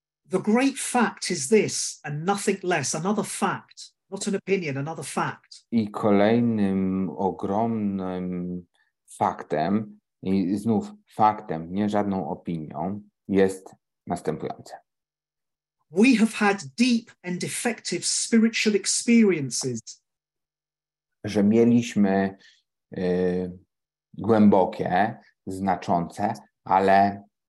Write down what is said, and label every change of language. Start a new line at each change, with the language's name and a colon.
English: The great fact is this and nothing less, another fact, not an opinion, another fact.
Polish: I kolejnym ogromnym faktem, i znów faktem, nie żadną opinią, jest następujące.
English: We have had deep and effective spiritual experiences.
Polish: Że mieliśmy głębokie, znaczące, ale...